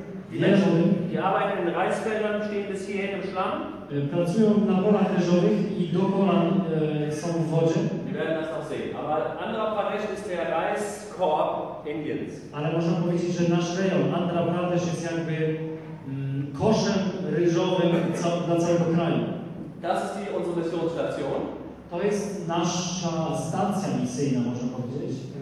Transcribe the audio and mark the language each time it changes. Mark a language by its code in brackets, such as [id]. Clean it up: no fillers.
[de] Die Menschen, die arbeiten in Reisfeldern, stehen bis hierhin im Schlamm. [pl] Pracują na polach leżowych i do kolan są w wodzie. [de] Die werden das noch sehen. Aber Andhra Pradesh ist der Reiskorb Indiens. [pl] Ale można powiedzieć, że nasz rejon, Andhra Pradesh, jest jakby koszem ryżowym dla całego kraju. [de] Das ist die unsere Missionsstation. [pl] To jest nasza stacja misyjna, można powiedzieć.